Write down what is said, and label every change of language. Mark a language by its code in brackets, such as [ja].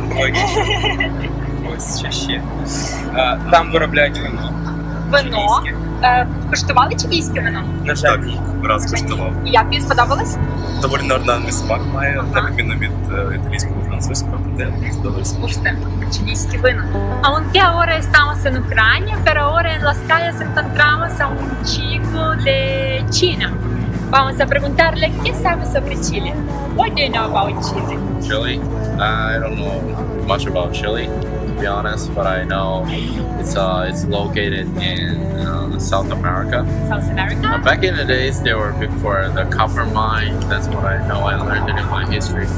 [uk] Логічно. Ось що ще. Там виробляють вино. Вино? Коштували чилійське вино? На жаль. Так, раз коштував. І як він сподобалось? Доволі нормальний смак має, на відміну від італійського, французького, де доволі смак. Слушайте, чилійське вино. [es] А он те ora estamos en Ucrania, pero ora en las calles encontramos a un chico de China. Vamos a preguntarle qué sabe sobre Chile. [en] What do you know about Chile? Chile? I don't know much about Chile, to be honest, but I know it's located in South America. South America? Back in the days, they were before the copper mine. That's what I know. I learned it in my history class.